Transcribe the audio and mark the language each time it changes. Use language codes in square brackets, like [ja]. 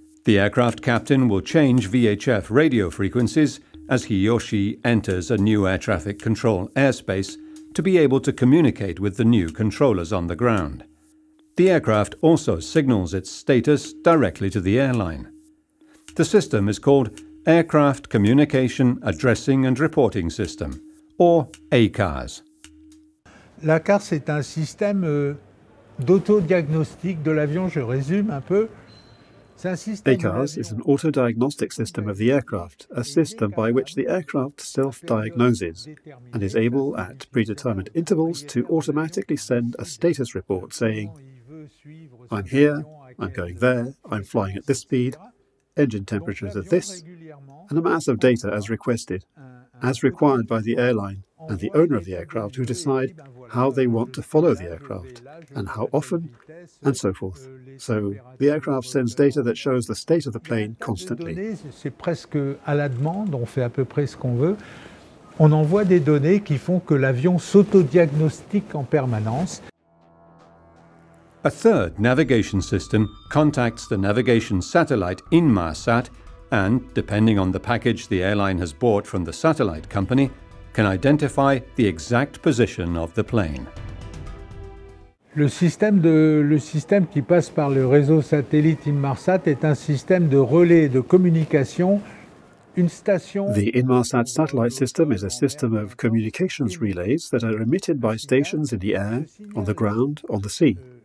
[en] The aircraft captain will change VHF radio frequencies as he or she enters a new air traffic control airspace to be able to communicate with the new controllers on the ground. The aircraft also signals its status directly to the airline. The system is called Aircraft Communication Addressing and Reporting System, or ACARS. [fr] L'ACARS est un système d'autodiagnostic de l'avion, je résume un peu. [en] ACARS is an auto-diagnostic system of the aircraft, a system by which the aircraft self-diagnoses and is able at predetermined intervals to automatically send a status report saying, I'm here, I'm going there, I'm flying at this speed, engine temperatures are this, and a mass of data as requested, as required by the airline and the owner of the aircraft who decide how they want to follow the aircraft, and how often, and so forth. So the aircraft sends data that shows the state of the plane constantly. [fr] C'est presque à la demande, on fait à peu près ce qu'on veut. On envoie des données qui font que l'avion s'autodiagnostique en permanence. [en] A third navigation system contacts the navigation satellite Inmarsat and, depending on the package the airline has bought from the satellite company, can identify the exact position of the plane. [fr] Le système qui passe par le réseau satellite Inmarsat est un système de relais de communication. Une station. [en] The Inmarsat satellite system is a system of communications relays that are emitted by stations in the air, on the ground, on the sea.